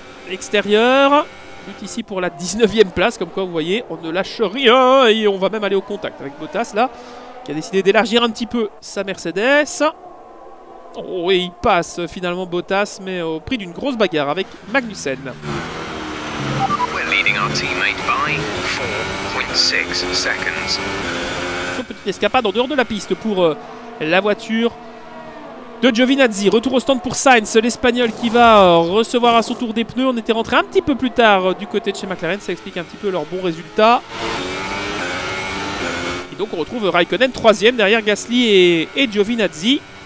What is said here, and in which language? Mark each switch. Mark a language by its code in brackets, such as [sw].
[fr] Extérieur, lutte ici pour la 19e place, comme quoi vous voyez, on ne lâche rien et on va même aller au contact avec Bottas là, qui a décidé d'élargir un petit peu sa Mercedes. Oh, et il passe finalement Bottas, mais au prix d'une grosse bagarre avec Magnussen. [en] We're leading our teammate by 4.6 seconds. [fr] Une petite escapade en dehors de la piste pour... la voiture de Giovinazzi. Retour au stand pour Sainz, l'Espagnol qui va recevoir à son tour des pneus. On était rentré un petit peu plus tard du côté de chez McLaren. Ça explique un petit peu leur bon résultat. Et donc on retrouve Raikkonen 3ème derrière Gasly et Giovinazzi.